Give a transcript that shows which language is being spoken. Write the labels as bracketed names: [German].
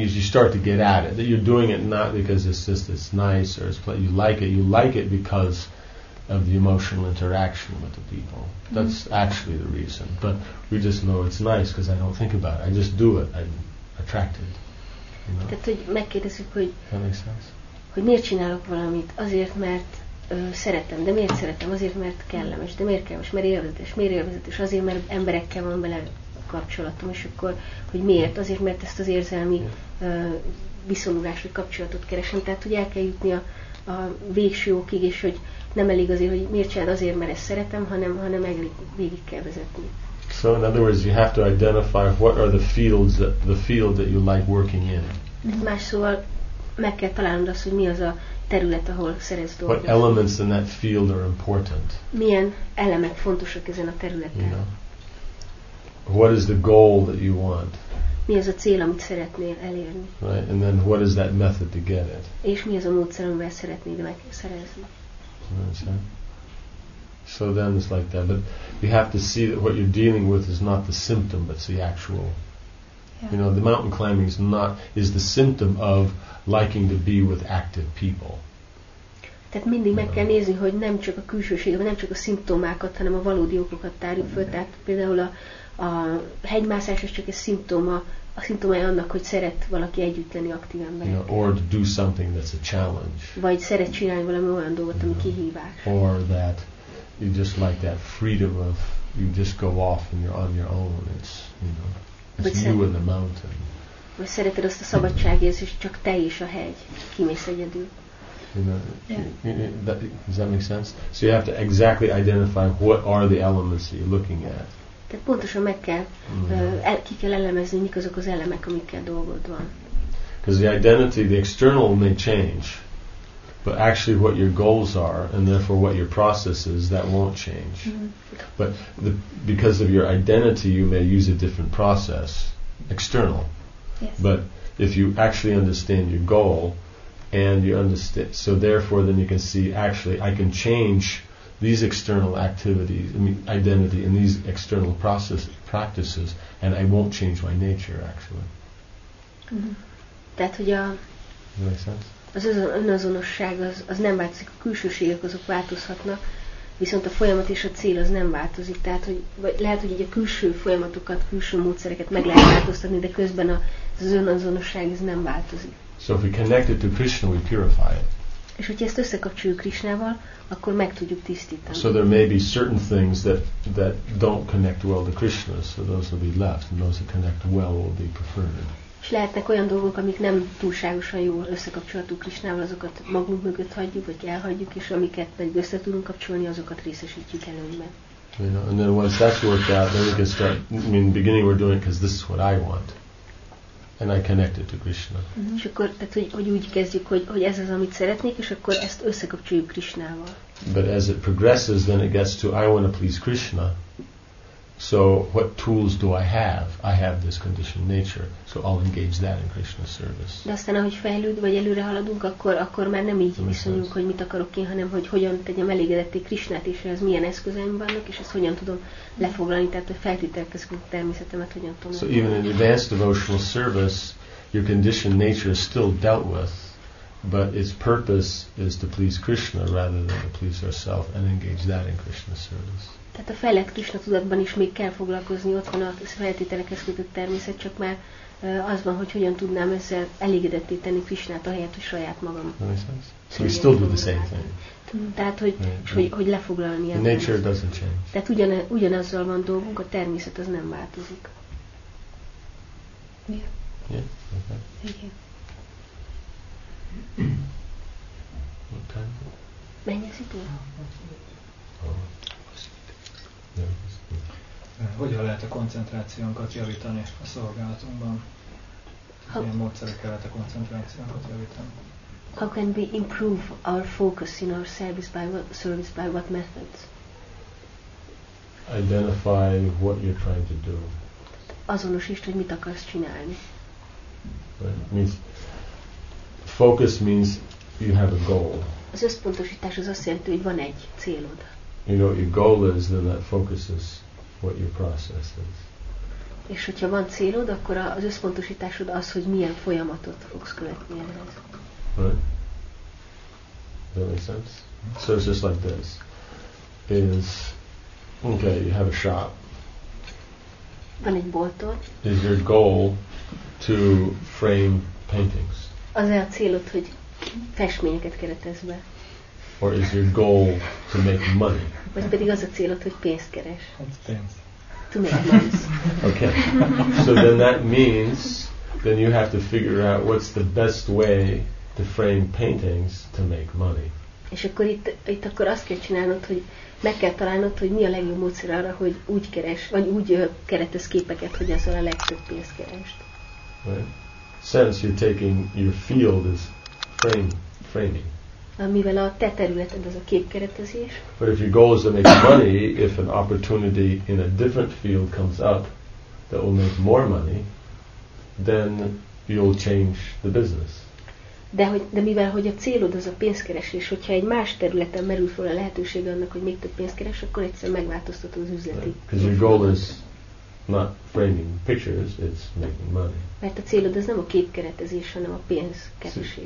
[English] You start to get at it. That you're doing it not because it's nice or it's you like it. You like it because of the emotional interaction with the people. That's actually the reason. But we just know it's nice because I don't think about it. I just do it. I'm attracted. [Hungarian] Tehát, hogy megkérdezzük, hogy... [English] That makes sense. [Hungarian] Hogy miért csinálok valamit? Azért, mert szeretem. De miért szeretem? Azért, mert kellemes. De miért kellemes? Mert élvezetes. Miért élvezetes? Azért, mert emberekkel van bele kapcsolatom. És akkor, hogy miért? Azért, mert ezt az érzelmi viszonyulást, vagy kapcsolatot keresem. Tehát, hogy el kell jutni a végső okig, és hogy nem elég azért, hogy miért csinálod azért, mert ezt szeretem, hanem elég végig kell vezetni. [English] So in other words, you have to identify what are the field that you like working in. [Hungarian] Más szóval meg kell találnod azt, hogy mi az a terület, ahol szeretsz dolgozni. [English] What elements in that field are important? [Hungarian] Milyen elemek fontosak ezen a területen? [English] You know? What is the goal that you want? [Hungarian] Mi az a cél, amit szeretnél elérni? [English] Right, and then what is that method to get it? [Hungarian] És mi az a módszer, amivel szeretnéd megszerezni? [English] So then it's like that, but you have to see that what you're dealing with is not the symptom, but it's the actual. Yeah. You know, the mountain climbing is the symptom of liking to be with active people. [Hungarian] Tehát mindig meg kell nézni, hogy nem csak a külsőség, vagy nem csak a szimptomákat, hanem a valódi okokat tárjuk föl. Tehát például a hegymászás is csak egy szimptoma. A szimptomája annak, hogy szeret valaki együtt lenni aktív emberekkel. [English] You know, or to do something that's a challenge. [Hungarian] Vagy szeret csinálni valami olyan dolgot, ami kihívás. [English] Or that you just like that freedom of you just go off and you're on your own. It's, you know, it's you and the mountain. [Hungarian] Vagy szereted azt a szabadságérzést, csak te és a hegy. Kimész egyedül. [English] You know, does that make sense? So you have to exactly identify what are the elements that you're looking at. [Hungarian] Tehát pontosan meg kell, ki kell elemezni, mik azok az elemek, amikkel dolgod van. [English] Because the identity, the external may change, but actually what your goals are, and therefore what your process is, that won't change. Mm-hmm. But because of your identity, you may use a different process, external. Yes. But if you actually understand your goal, and you understand, so therefore then you can see, actually, I can change these external activities, I mean identity, and these external practices, and I won't change my nature, actually. [Hungarian] Mm-hmm. Tehát, hogy a... [English] Does that make sense? [Hungarian] Az önazonosság, az nem változik, a külsőségek azok változhatnak, viszont a folyamat és a cél az nem változik. Tehát, hogy vagy lehet, hogy így a külső folyamatokat, külső módszereket meg lehet változtatni, de közben az önazonosság ez nem változik. [English] So if we connect it to Krishna, we purify it. [Hungarian] És hogyha ezt összekapcsoljuk Krisnával, akkor meg tudjuk tisztítani. [English] So there may be certain things that don't connect well to Krishna, so those will be left, and those that connect well will be preferred. [Hungarian] És lehetnek olyan dolgok, amik nem túlságosan jól összekapcsolatú Krisnával, azokat magunk mögött hagyjuk, vagy elhagyjuk, és amiket meg össze tudunk kapcsolni, azokat részesítjük előnyben. [English] You know, and then once that's worked out, then we can start. I mean, in the beginning we're doing it because this is what I want, and I connect it to Krishna. [Hungarian] És akkor, tehát hogy úgy kezdjük, hogy ez az, amit szeretnék, és akkor ezt összekapcsoljuk Krisnával. [English] But as it progresses, then it gets to I want to please Krishna. So what tools do I have? I have this conditioned nature, so I'll engage that in Krishna's service. [Hungarian] De aztán, ahogy fejlőd, vagy előre haladunk, akkor már nem így viszonyunk, hogy mit akarok én, hanem hogy hogyan tegyem elégedetté Krishnát, és ez milyen eszközeim vannak, és ezt hogyan tudom lefoglalni, tehát hogy feltételkezünk természetemet, hogyan tudom. [English] So even in advanced devotional service, your conditioned nature is still dealt with, but its purpose is to please Krishna rather than to please herself and engage that in Krishna's service. [Hungarian] Tehát a fejlett Krisna tudatban is még kell foglalkozni, ott van a feltételekhez kötött természet, csak már az van, hogy hogyan tudnám ezzel elégedetté tenni Krisnát ahelyett, hogy saját magam. [English] So we still do the same thing. [Hungarian] Tehát, hogy, [English] right. [Hungarian] hogy lefoglalni ezt. [English] Nature doesn't change. [Hungarian] Tehát ugyanazzal van dolgunk, a természet az nem változik. [English] Yeah. Yeah. Okay. Thank you. [Hungarian] Hogyan lehet a koncentrációnkat javítani a szolgálatunkban? Milyen módszerekkel lehet a koncentrációnkat javítani? [English] How can we improve our focus in our service by what methods? Identify what you're trying to do. [Hungarian] Azonosítsd, hogy mit akarsz csinálni. [English] Focus means you have a goal. [Hungarian] Az összpontosítás az azt jelenti, hogy van egy célod. [English] You know what your goal is, then that focuses what your process is. [Hungarian] És hogyha van célod, akkor az összpontosításod az, hogy milyen folyamatot fogsz követni ehhez. [English] Right? That makes sense? So it's just like this. Is, okay, you have a shop. [Hungarian] Van egy boltod. [English] Is your goal to frame paintings? [Hungarian] Az-e a célod, hogy festményeket keretezz be? [English] Or is your goal to make money? [Hungarian] Vagy pedig az a célod, hogy pénzt keres. [English] To make money. Okay. So then that means then you have to figure out what's the best way to frame paintings to make money. [Hungarian] És akkor itt akkor azt kell csinálnod, hogy meg kell találnod, hogy mi a legjobb módszer arra, hogy úgy keres, vagy úgy keretesz képeket, hogy azzal a legtöbb pénzt keresd. [English] Right. Since you're taking your field is framing. [Hungarian] Mivel a te területed az a képkeretezés. [English] But if your goal is to make money, if an opportunity in a different field comes up that will make more money, then you'll change the business. [Hungarian] De mivel hogy a célod az a pénzkeresés, hogyha egy más területen merül fel a lehetőség annak, hogy még több pénzt keres, akkor egyszerűen megváltoztatod az üzleti. [English] Because your goal is not framing pictures, it's making money. [Hungarian] Mert a célod az nem a képkeretezés, hanem a pénzkeresés.